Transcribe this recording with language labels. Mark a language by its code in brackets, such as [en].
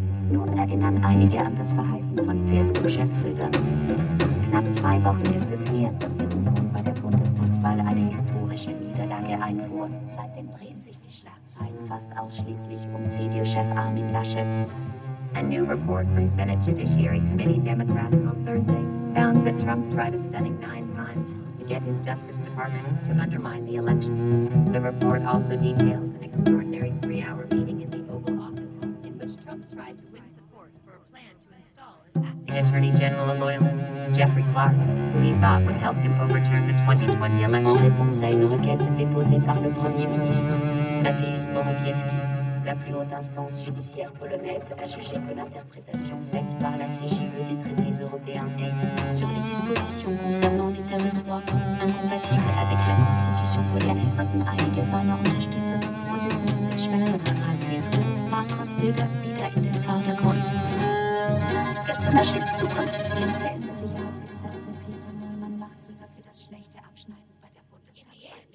[de] Nun erinnern einige an das Verhalten von CSU-Chef Söder. Knapp zwei Wochen ist es her, dass die Union bei der Bundestagswahl eine historische Niederlage einfuhr. Seitdem drehen sich die Schlagzeilen fast ausschließlich um CDU-Chef Armin Laschet. [en] A new report from Senate Judiciary Committee Democrats on Thursday found that Trump tried a stunning 9 times to get his Justice Department to undermine the election. The report also details an extraordinary 3-hour meeting in the Oval Office in which Trump tried to win support for a plan to install as acting Attorney General a loyalist, Jeffrey Clark, who he thought would help him overturn the 2020 election. [fr] En réponse à une requête déposée par le Premier ministre, Mateusz Morawiecki, la plus haute instance judiciaire polonaise a jugé que l'interprétation faite par la CJUE des traités européens est, sur les dispositions concernant l'état de droit, incompatible avec la Constitution polonaise. [de] Jetzt drücken einige seiner Unterstützer den Vorsitzenden der Schwesterpartei CSU, Markus Söder, wieder in den Vordergrund. Der zum Beispiel Zukunftsteam zählende Sicherheitsexperte Peter Neumann macht Söder für das schlechte Abschneiden bei der Bundestagswahl.